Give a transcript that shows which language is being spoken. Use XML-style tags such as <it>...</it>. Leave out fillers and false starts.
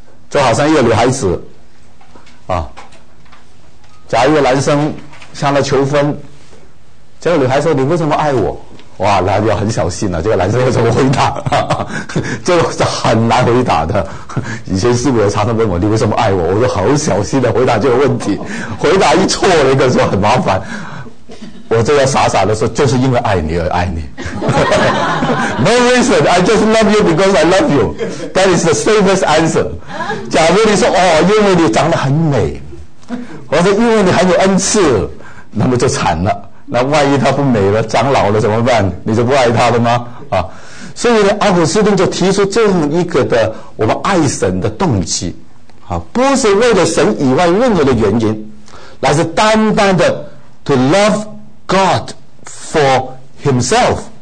<zh>就好像一个女孩子啊，假如一个男生向她求婚，这个女孩说你为什么爱我，哇，那就很小心了，这个男生要怎么回答，这是很难回答的。以前师父也常常问我你为什么爱我，我就好小心的回答这个问题，回答一错了一个就很麻烦，我就要傻傻的说就是因为爱你而爱你。</zh> <en>No reason, I just love you because I love you. That is the safest answer.</en> <zh>假如你说哦，因为你长得很美，或者因为你很有恩赐，那么就惨了。那万一他不美了，长老了怎么办？你就不爱他了吗？啊，所以阿古斯丁就提出这样一个的我们爱神的动机，啊，不是为了神以外任何的原因，而是单单的</zh> <en>to love God for Himself。</en>